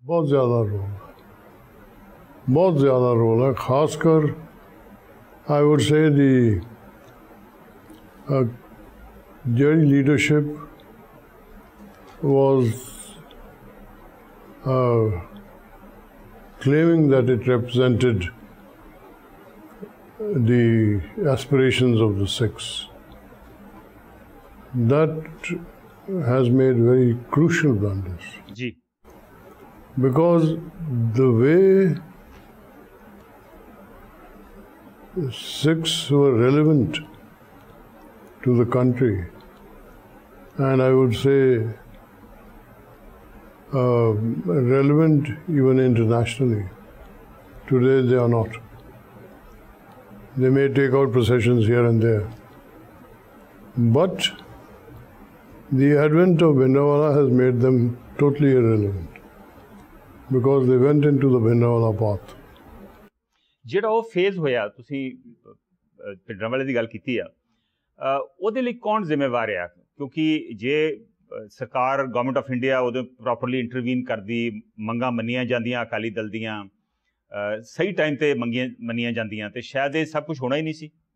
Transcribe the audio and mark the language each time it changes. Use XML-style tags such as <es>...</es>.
<pa>bahut zyada role ਬਹੁਤ ਜ਼ਿਆਦਾ role ਹੈ ਖਾਸ ਕਰ</pa> <en>I would say the ਜਿਹੜੀ leadership was claiming that it represented the aspirations of the Sikhs that has made very crucial blunders ਜੀ because the way Sikhs were relevant to the country and I would say relevant even internationally today they are not they may take out processions here and there but the advent of Bhindranwala has made them totally irrelevant because they went into the Bhindranwala path</en> <pa>ਜਿਹੜਾ ਉਹ phase ਹੋਇਆ ਤੁਸੀਂ ਭਿੰਡਰਾਂਵਾਲੇ ਦੀ ਗੱਲ ਕੀਤੀ ਆ ਉਹਦੇ ਲਈ ਕੌਣ ਜ਼ਿੰਮੇਵਾਰ ਆ ਕਿਉਂਕਿ ਜੇ ਸਰਕਾਰ ਗਵਰਨਮੈਂਟ ਆਫ ਇੰਡੀਆ ਉਦੋਂ ਪ੍ਰੋਪਰਲੀ ਇੰਟਰਵੀਨ ਕਰਦੀ ਮੰਗਾਂ ਮੰਨੀਆਂ ਜਾਂਦੀਆਂ ਅਕਾਲੀ ਦਲ ਦੀਆਂ ਸਹੀ ਟਾਈਮ 'ਤੇ ਮੰਨੀਆਂ ਜਾਂਦੀਆਂ ਅਤੇ ਸ਼ਾਇਦ ਇਹ ਸਭ ਕੁਛ ਹੋਣਾ ਹੀ ਨਹੀਂ ਸੀ</pa>